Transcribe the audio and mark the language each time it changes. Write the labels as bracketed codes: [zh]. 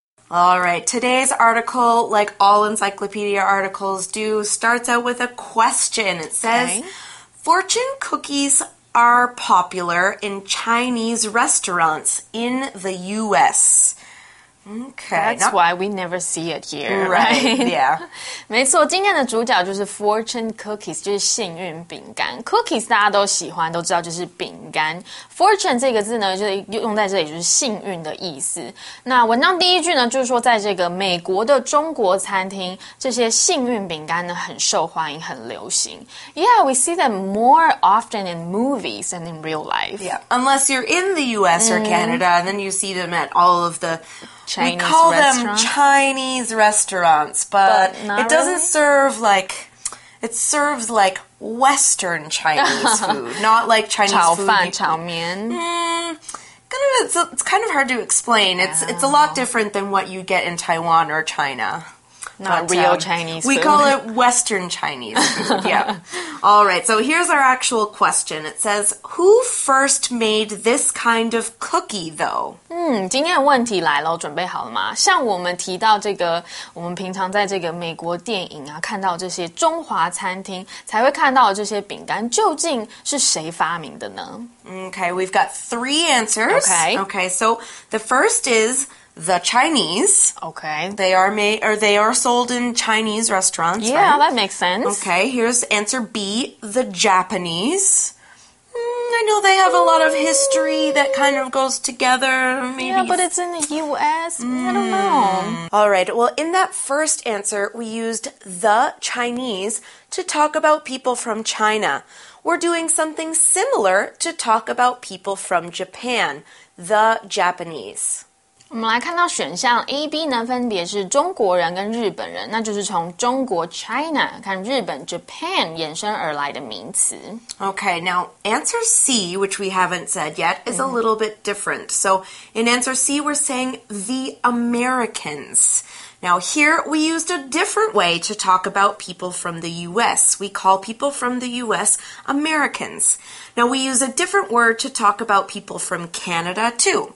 [en] All right, today's article, like all encyclopedia articles do, starts out with a question. It says, fortune cookies are popular in Chinese restaurants in the U.S. Okay. That's why we never see it here, right? Yeah. [zh] 没错，今天的主角就是 fortune cookies, 就是幸运饼干。 Cookies 大家都喜欢，都知道就是饼干。Fortune 这个字呢，就用在这里就是幸运的意思。那文章第一句呢，就是说在这个美国的中国餐厅，这些幸运饼干呢很受欢迎，很流行。 [en] Yeah, we see them more often in movies than in real life. Yeah, unless you're in the US or Canada, and then you see them at all of the... Chinese we call restaurant? them Chinese restaurants, but it doesn't、 really? serve like, it serves like Western Chinese food, not like Chinese Chow food. [zh] 炒饭炒面、 [en] kind of, it's kind of hard to explain. Yeah. It's a lot different than what you get in Taiwan or China. Not real Chinese food. We call it Western Chinese food, yeah. All right, so here's our actual question. It says, who first made this kind of cookie, though? [zh] 今天的问题来了，准备好了吗？像我们提到这个，我们平常在这个美国电影啊，看到这些中华餐厅才会看到的这些饼干，究竟是谁发明的呢？ [en] Okay, we've got three answers. Okay, so the first is... The Chinese. Okay. They are sold in Chinese restaurants, yeah, right? Yeah, that makes sense. Okay, here's answer B, the Japanese. I know they have a lot of history that kind of goes together, maybe. Yeah, but it's in the U.S.? I don't know. All right, well, in that first answer, we used the Chinese to talk about people from China. We're doing something similar to talk about people from Japan, the Japanese. [zh] 我们来看到选项 AB 呢分别是中国人跟日本人那就是从中国 China 看日本 Japan 衍生而来的名词 [en] Okay, now answer C, which we haven't said yet, is a little bit different. So in answer C, we're saying the Americans. Now here we used a different way to talk about people from the US. We call people from the US Americans. Now, we use a different word to talk about people from Canada, too.